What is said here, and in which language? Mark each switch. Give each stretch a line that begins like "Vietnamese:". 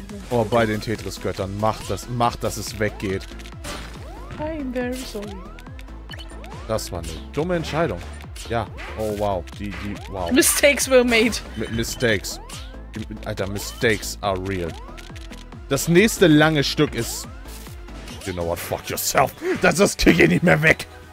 German: Oh, bei den Tetris-Göttern. Mach, dass es weggeht.
English: I'm very sorry.
German: Das war eine dumme Entscheidung. Ja. Oh, wow. Die, wow.
English: Mistakes were made. Mistakes. Alter, mistakes are real.
German: Das nächste lange Stück ist...
English: You know what? Fuck yourself.
German: Das krieg ich nicht mehr weg.